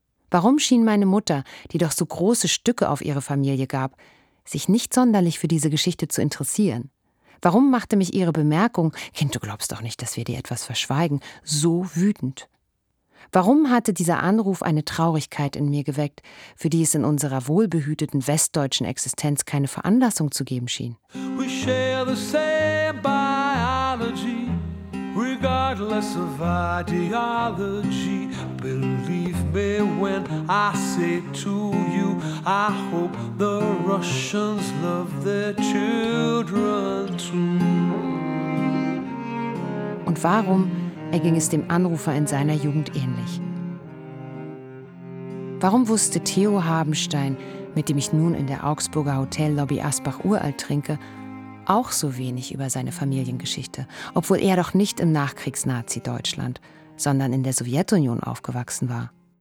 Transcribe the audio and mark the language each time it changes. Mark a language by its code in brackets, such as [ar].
[de] Warum schien meine Mutter, die doch so große Stücke auf ihre Familie gab, sich nicht sonderlich für diese Geschichte zu interessieren? Warum machte mich ihre Bemerkung, Kind, du glaubst doch nicht, dass wir dir etwas verschweigen, so wütend? Warum hatte dieser Anruf eine Traurigkeit in mir geweckt, für die es in unserer wohlbehüteten westdeutschen Existenz keine Veranlassung zu geben schien? [en] We share the same biology, regardless of ideology. Believe me when I say to you, I hope the Russians love their children too. [de] Und warum erging es dem Anrufer in seiner Jugend ähnlich? Warum wusste Theo Habenstein, mit dem ich nun in der Augsburger Hotellobby Asbach-Uralt trinke, auch so wenig über seine Familiengeschichte, obwohl er doch nicht im Nachkriegs-Nazi-Deutschland, sondern in der Sowjetunion aufgewachsen war?